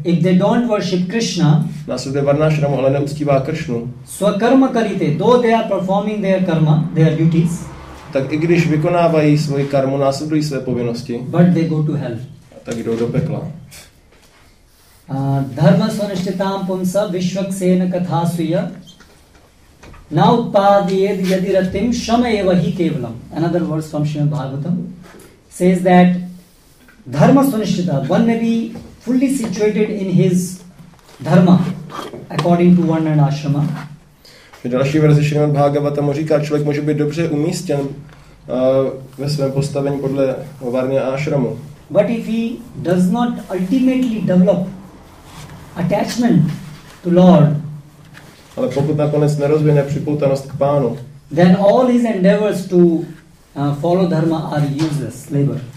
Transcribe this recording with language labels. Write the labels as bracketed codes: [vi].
[en] if they don't worship Krishna, [cs] následuje varnashramu, ale neuctívá Krishnu, [en] swakarma karite, though they are performing their karma, their duties, [cs] tak i když vykonávají svoji karmu, následují své povinnosti, [en] but they go to hell. [cs] Tak jdou do pekla. [sa] Dharma sunishtitam punsa vishvaksena kathasuya naupadiyed yadiratim shamayevahi kevlam. [en] Another verse from Srimad Bhagavatam. says that dharma sunishchita, one may be fully situated in his dharma according to one and ashrama. [cs] V další verzi Srimad Bhagavatam říká, člověk může být dobře umístěn ve svém postavení podle varny a ashramu. [en] But if he does not ultimately develop attachment to Lord, [cs] ale pokud nakonec nerozvine připoutanost k pánu, [en] then all his endeavors to follow dharma are useless labor.